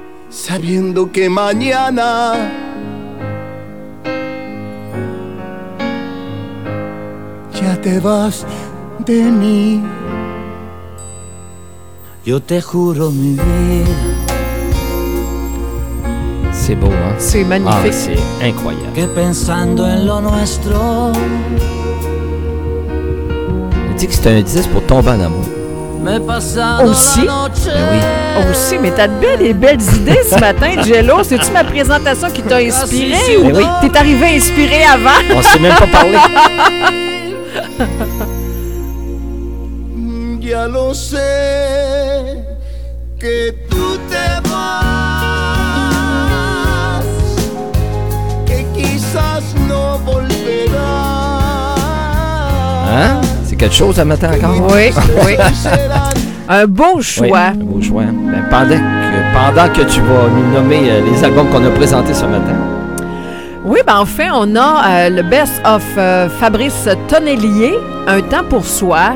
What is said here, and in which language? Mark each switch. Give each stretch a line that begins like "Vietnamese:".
Spanish: Sabiendo que mañana ya te vas de mí. Yo te juro mi vida.
French: C'est beau, hein? C'est magnifique. Ah, c'est incroyable.
Spanish: Que pensando en lo nuestro.
French: Il dit que c'est un 10 pour tomber en amour. Aussi, ben oui. Aussi, mais t'as de belles et belles idées ce matin, Jello. C'est-tu ma présentation qui t'a inspiré? Ben oui. T'es arrivé inspiré avant. On s'est même pas parlé.
Spanish: Ya lo sé que tú te vas, que quizás no volverás.
French: Hein? Quelque chose à mettre encore. Oui, oui. Un beau choix. Oui, un beau choix. Ben, pendant que tu vas nous nommer les albums qu'on a présentés ce matin. Oui, ben enfin, on a le Best of Fabrice Tonnelier, Un temps pour soi.